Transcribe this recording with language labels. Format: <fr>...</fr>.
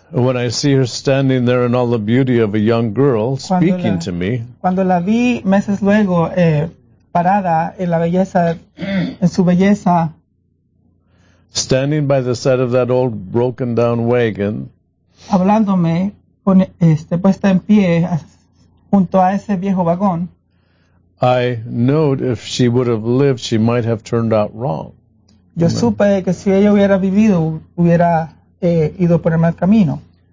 <en>when I see her standing there in all the beauty of a young girl speaking to me,</en> <es>cuando la vi meses luego parada en la belleza, en su belleza,</es> <en>standing by the side of that old broken down wagon,</en> <es>hablándome con puesta en pie junto a ese viejo vagón,</es> <en>I knowed if she would have lived, she might have turned out wrong.</en> <es>Yo supe que si ella hubiera vivido, hubiera ido por el mal camino.</es>